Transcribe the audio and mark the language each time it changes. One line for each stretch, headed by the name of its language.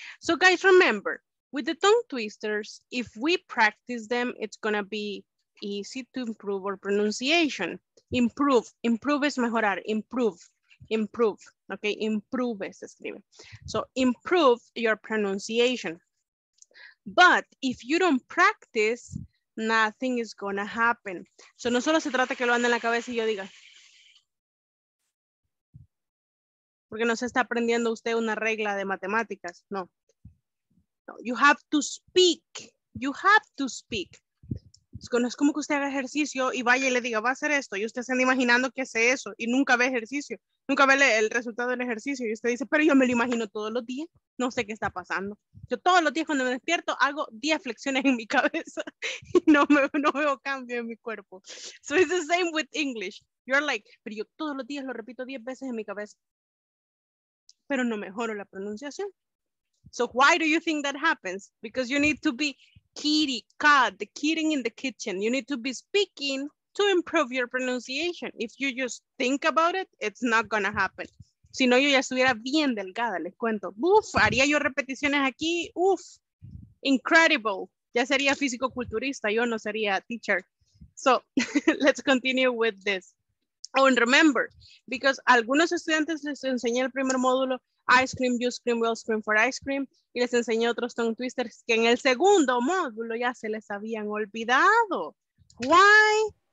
English: So guys, remember, with the tongue twisters, if we practice them, it's going to be easy to improve our pronunciation. Improve. Improve
Spanish: es mejorar.
English: Improve. Improve, okay, improve,
Spanish: se escribe.
English: So improve your pronunciation. But if you don't practice, nothing is gonna happen.
Spanish: So no solo se trata que lo ande en la cabeza y yo diga. Porque no se está aprendiendo usted una regla de matemáticas, no.
English: No, you have to speak, you have to speak.
Spanish: Es como que usted haga ejercicio y vaya y le diga, va a hacer esto, y usted se anda imaginando que hace eso y nunca ve ejercicio. Nunca ve el resultado del ejercicio y usted dice, pero yo me lo imagino todos los días, no sé qué está pasando. Yo todos los días cuando me despierto hago 10 flexiones en mi cabeza y no veo cambio en mi cuerpo.
English: So it's the same with English. You're like,
Spanish: pero yo todos los días lo repito 10 veces en mi cabeza, pero no mejoro la pronunciación.
English: So why do you think that happens? Because you need to be kitty cat, the kitten in the kitchen. You need to be speaking to improve your pronunciation. If you just think about it, it's not gonna happen.
Spanish: Si no, yo ya estuviera bien delgada, les cuento. Uf, haría yo repeticiones aquí, uf, incredible. Ya sería físico-culturista, yo no sería teacher.
English: So, let's continue with this. Oh, and remember, because
Spanish: algunos estudiantes les enseñé el primer módulo,
English: ice cream, you scream, we'll scream for ice cream,
Spanish: y les enseñé otros tongue twisters que en el segundo módulo ya se les habían olvidado.
English: Why?